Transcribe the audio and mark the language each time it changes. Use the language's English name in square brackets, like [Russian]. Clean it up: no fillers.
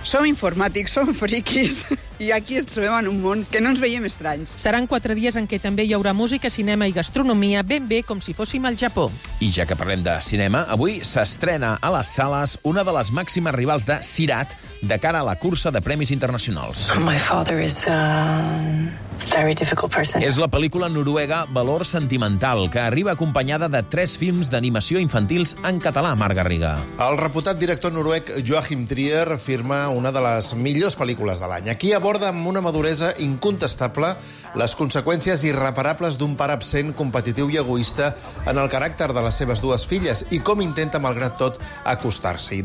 [Catalan] Som informàtics, som friquis, i aquí ens trobem en un món que no ens veiem estranys. Seran 4 dies en què també hi haurà música, cinema i gastronomia, ben bé com si fóssim al Japó. I ja que parlem de cinema, avui s'estrena a les sales una de les màximes rivals de Sirat de cara a la cursa de premis internacionals. [English] My father is a very difficult person. [Catalan] És la pel·lícula noruega Valor Sentimental, que arriba acompanyada de 3 films d'animació infantils en català, Marc Garriga. El reputat director noruec Joachim Trier firma una de les millors pel·lícules de l'any. Aquí aborda amb una maduresa incontestable les conseqüències irreparables d'un pare absent, competitiu i egoista en el caràcter de les seves dues filles i com intenta, malgrat tot, acostar-s'hi.